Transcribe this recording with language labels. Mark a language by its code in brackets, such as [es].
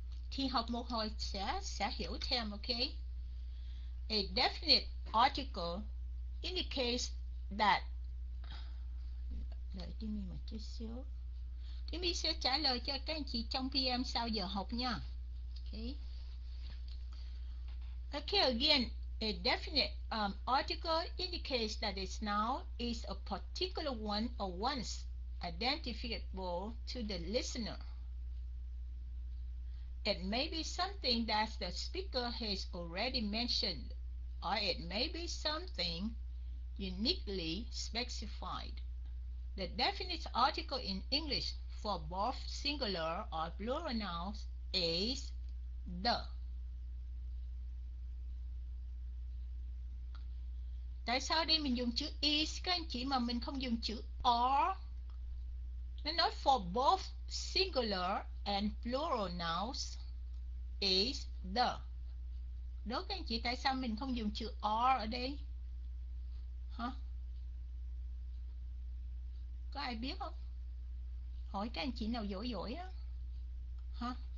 [vi] Khi học một hồi sẽ hiểu thêm, okay? [en] A definite article indicates that. [vi] Đợi Jimmy một chút xíu. Jimmy sẽ trả lời cho các anh chị trong PM sau giờ học nha. [en] Okay. Okay, again, a definite article indicates that its noun is a particular one or ones identifiable to the listener. It may be something that the speaker has already mentioned, or it may be something uniquely specified. The definite article in English for both singular or plural nouns is the. [vi] Tại sao đây mình dùng chữ is các anh chị mà mình không dùng chữ are? Nó nói [en] for both singular and plural nouns is the. [vi] Đố các anh chị tại sao mình không dùng chữ are ở đây? Hả? Có ai biết không? Hỏi các anh chị nào giỏi giỏi á. Hả?